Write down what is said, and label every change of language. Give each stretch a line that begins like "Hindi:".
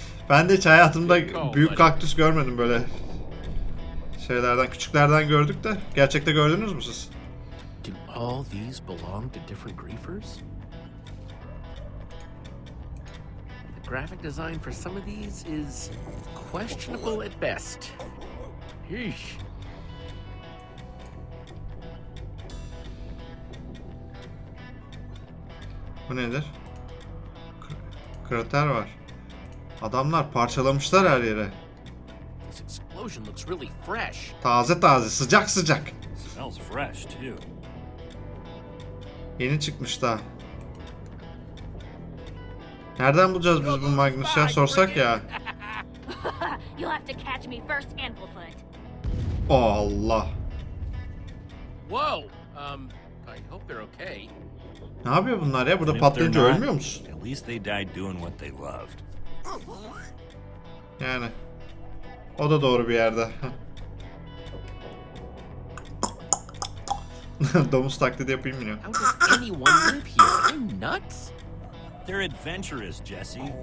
Turkish: Ben de hiç hayatımda büyük kaktüs görmedim böyle şeylerden, küçüklerden gördük de. Gerçekte gördünüz mü siz?
English: Do all these belong to different griefers? The graphic design for some of these is questionable at best. Yeesh.
Turkish: Bu nedir? Krater var. Adamlar parçalamışlar her yere.
English: This explosion looks really fresh.
Turkish: Taze taze, sıcak sıcak.
English: Smells fresh too.
Turkish: Yeni çıkmış daha. Nereden bulacağız biz bu Magnus'u ya sorsak ya?
English: You'll have to catch me first, Anklefoot.
Turkish: Allah.
English: Whoa. I hope they're okay.
Turkish: Ne yapıyor bunlar ya? Burada patlayınca ölmüyor musun?
English: At least they died doing what they loved.
Turkish: Yani o da doğru bir yerde. Domuz taklidi yapayım mı ya?
English: How does anyone live here? Are you nuts? They're adventurous, Jesse.